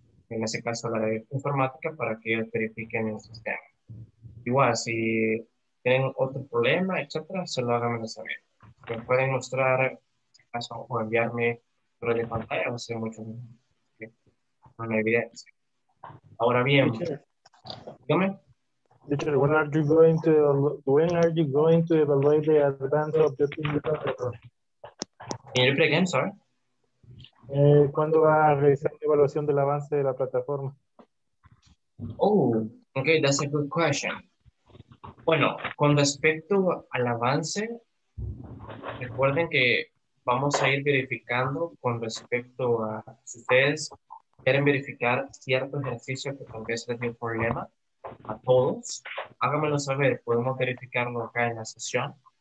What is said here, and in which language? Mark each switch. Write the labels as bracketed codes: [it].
[es] En ese caso, la de informática para que ellos verifiquen el sistema. Igual, si tienen otro problema, etcétera, se lo hagan saber. Me pueden mostrar caso, o enviarme pero de pantalla, va a ser mucho una evidencia. Ahora bien, dígame. [en] Teacher, when are you going to evaluate the advance of the plataforma? Can you repeat again, sorry? [es] ¿Cuándo va a realizar la evaluación del avance de la plataforma? [en] Oh, okay, that's a good question. [es] Bueno, con respecto al avance, recuerden que vamos a ir verificando con respecto a si ustedes quieren verificar cierto ejercicio que tal vez les dio problema a todos, háganmelo saber, podemos verificarlo acá en la sesión.